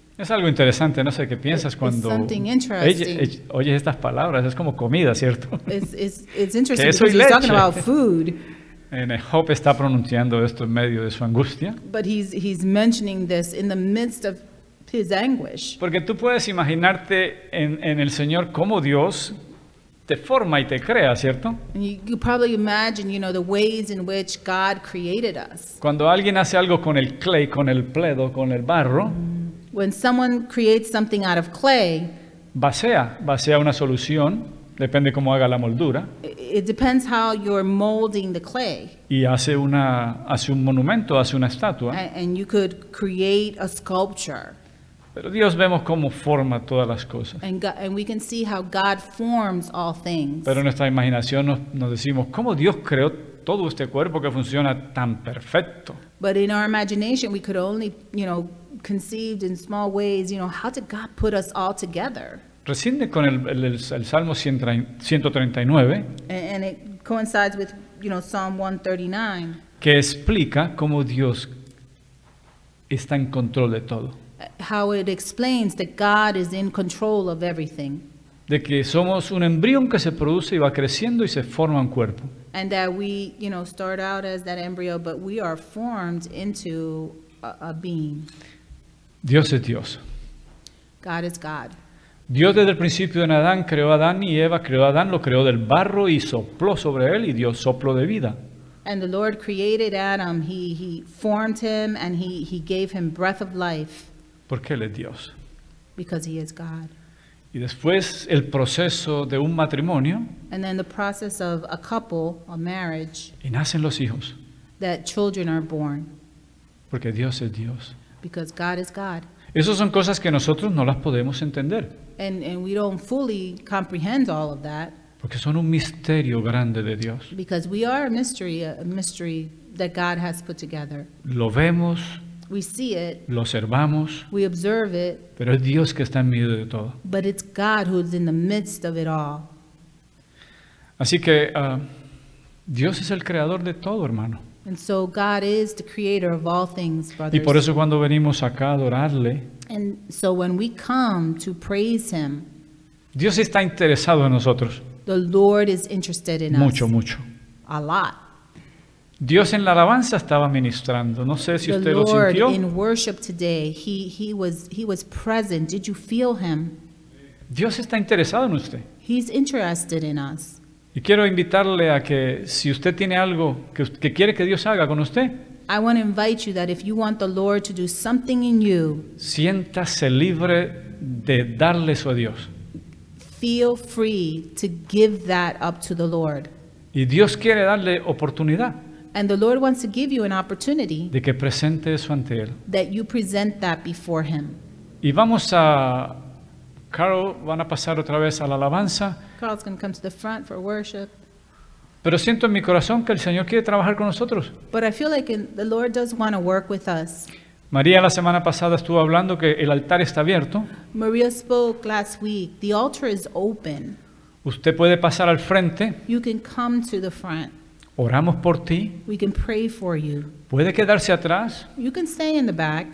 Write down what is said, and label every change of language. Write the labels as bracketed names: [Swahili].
[Spanish] Es algo interesante, no sé qué piensas cuando oyes estas palabras, es como comida, ¿cierto? [English] It's interesting because he's talking about food. [Spanish] And Job está pronunciando esto en medio de su angustia. [English] But he's mentioning this in the midst of his anguish. [Spanish] Porque tú puedes imaginarte en el Señor como Dios te forma y te crea, ¿cierto? [English] And you probably imagine, you know, the ways in which God created us. [Spanish] Cuando alguien hace algo con el clay, con el pledo, con el barro, [English] when someone creates something out of clay, [Spanish] vacía una solución, depende cómo haga la moldura. [English] It depends how you're molding the clay. [Spanish] Y hace un monumento, hace una estatua. [English] And you could create a sculpture. [Spanish] Pero Dios vemos cómo forma todas las cosas. [English] And we can see how God forms all things. [Spanish] Pero en nuestra imaginación nos decimos cómo Dios creó todo este cuerpo que funciona tan perfecto. [English] But in our imagination we could only, you know, conceived in small ways, you know, how did God put us all together? [Spanish] Resiende con el Salmo 139. [English] And it coincides with, you know, Psalm 139. [Spanish] Que explica cómo Dios está en control de todo. [English] How it explains that God is in control of everything. [Spanish] De que somos un embrión que se produce y va creciendo y se forma un cuerpo. [English] And that we, you know, start out as that embryo, but we are formed into a being. [Spanish] Dios es Dios. [English] God is God. [Spanish] Dios desde el principio en Adán creó a Adán y Eva, creó a Adán, lo creó del barro y sopló sobre él y dio soplo de vida. [English] And the Lord created Adam, he formed him and he gave him breath of life. [Spanish] Porque él es Dios. [English] Because he is God. [Spanish] Y después el proceso de un matrimonio. [English] And then the process of a couple, a marriage. [Spanish] Y nacen los hijos. [English] That children are born. [Spanish] Porque Dios es Dios. [English] Because God is God. [Spanish] Esas son cosas que nosotros no las podemos entender. [English] And we don't fully comprehend all of that. [Spanish] Porque son un misterio grande de Dios. [English] Because we are a mystery that God has put together. [Spanish] Lo vemos. [English] We see it. [Spanish] Lo observamos. [English] We observe it. [Spanish] Pero es Dios que está en medio de todo. [English] But it's God who's in the midst of it all. [Spanish] Así que Dios es el creador de todo, hermano. [English] And so God is the creator of all things, brothers. [Spanish] Y por eso cuando venimos acá a adorarle, [English] and so when we come to praise him, [Spanish] Dios está interesado en nosotros. [English] The Lord is interested in [Spanish] mucho, [English] us. [Spanish] Mucho, mucho. [English] A lot. [Spanish] Dios en la alabanza estaba ministrando. No sé si [English] the [Spanish] usted [English] Lord [Spanish] lo sintió. [English] The Lord in worship today, he was present. Did you feel him? [Spanish] Dios está interesado en usted. [English] He's interested in us. [Spanish] Y quiero invitarle a que si usted tiene algo que quiere que Dios haga con usted, [English] I want to invite you that if you want the Lord to do something in you, [Spanish] siéntase libre de darle eso a Dios. [English] Feel free to give that up to the Lord. [Spanish] Y Dios quiere darle oportunidad. [English] And the Lord wants to give you an opportunity. [Spanish] De que presente eso ante él. [English] That you present that before him. [Spanish] Y vamos a Carol, van a pasar otra vez a la alabanza. [English] Carl's going to come to the front for worship. [Spanish] Pero siento en mi corazón que el Señor quiere trabajar con nosotros. [English] But I feel like the Lord does want to work with us. [Spanish] María la semana pasada estuvo hablando que el altar está abierto. [English] Maria spoke last week. The altar is open. [Spanish] Usted puede pasar al frente. [English] You can come to the front. [Spanish] Oramos por ti. [English] We can pray for you. [Spanish] Puede quedarse atrás. [English] You can stay in the back.